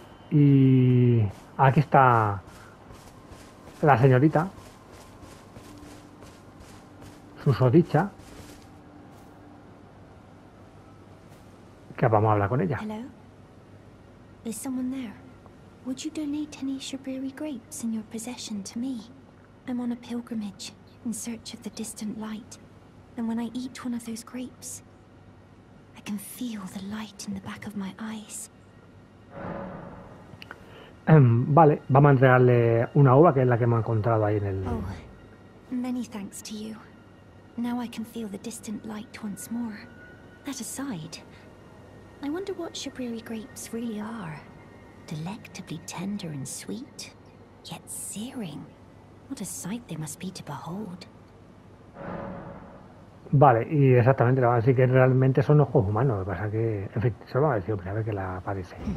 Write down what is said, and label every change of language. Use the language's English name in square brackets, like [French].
[Spanish] Y aquí está la señorita, susodicha. Que vamos a hablar con ella. [English] Hello. Is someone there? Would you donate any Shabiri grapes in your possession to me? I'm on a pilgrimage in search of the distant light, and when I eat one of those grapes, I can feel the light in the back of my eyes. [Spanish] Vale, vamos a entregarle una uva, que es la que hemos encontrado ahí en el. [English] Oh, many thanks to you. Now I can feel the distant light once more. That aside. I wonder what Shabiri grapes really are. Delectably tender and sweet, yet searing. What a sight they must be to behold. [Spanish] Vale, y exactamente, así que realmente son ojos humanos. Lo que pasa es que, en fin, se lo va a decir, hombre, a ver qué la parece.